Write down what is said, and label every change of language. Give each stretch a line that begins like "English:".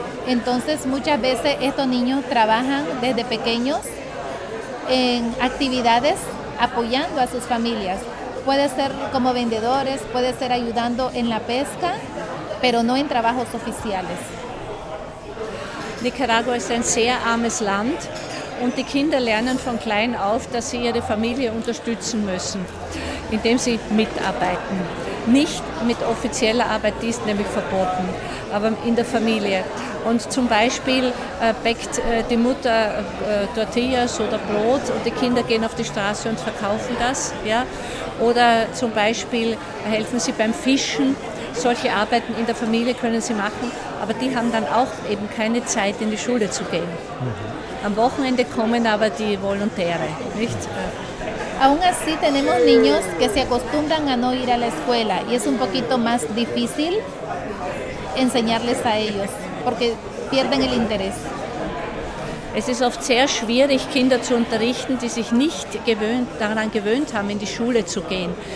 Spanish: Entonces, muchas veces estos niños trabajan desde pequeños en actividades apoyando a sus familias. Puede ser como vendedores, puede ser ayudando en la pesca, pero no en trabajos oficiales. Nicaragua es un
German: sehr armes Land und die Kinder lernen von klein auf, dass sie ihre Familie unterstützen müssen, indem sie mitarbeiten. Nicht mit offizieller Arbeit, die ist nämlich verboten, aber in der Familie. Und zum Beispiel bäckt die Mutter Tortillas oder Brot und die Kinder gehen auf die Straße und verkaufen das. Ja? Oder zum Beispiel helfen sie beim Fischen. Solche Arbeiten in der Familie können sie machen, aber die haben dann auch eben keine Zeit, in die Schule zu gehen. Am Wochenende kommen aber die Volontäre, nicht?
Spanish: Aún así tenemos niños que se acostumbran a no ir a la escuela y es un poquito más difícil enseñarles a ellos porque pierden el interés.
German: Es ist oft sehr schwierig, Kinder zu unterrichten, die sich nicht daran gewöhnt haben, in die Schule zu gehen.